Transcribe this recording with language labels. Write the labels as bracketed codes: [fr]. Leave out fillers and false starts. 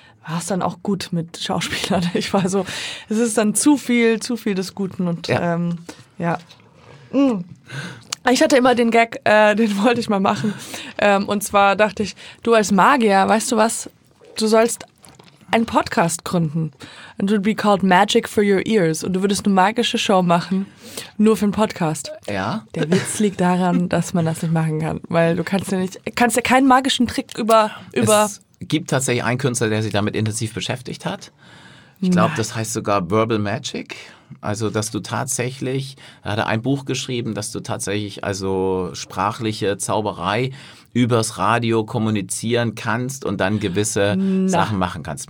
[de] war es dann auch gut mit Schauspielern. Ich war so, es ist dann zu viel des Guten. Und ja. Ich hatte immer den Gag, den wollte ich mal machen. Und zwar dachte ich, du als Magier, weißt du was, du sollst einen Podcast gründen. [en] And it would be called Magic for Your Ears. [de] Und du würdest eine magische Show machen, nur für einen Podcast. Ja. Der Witz liegt daran, dass man das nicht machen kann. Weil du kannst ja nicht, kannst ja keinen magischen Trick über. Es gibt tatsächlich einen Künstler, der sich damit intensiv beschäftigt hat. Ich glaube, das heißt sogar Verbal Magic. Also, dass du tatsächlich, er hat ein Buch geschrieben, dass du tatsächlich also sprachliche Zauberei übers Radio kommunizieren kannst und dann gewisse Sachen machen kannst.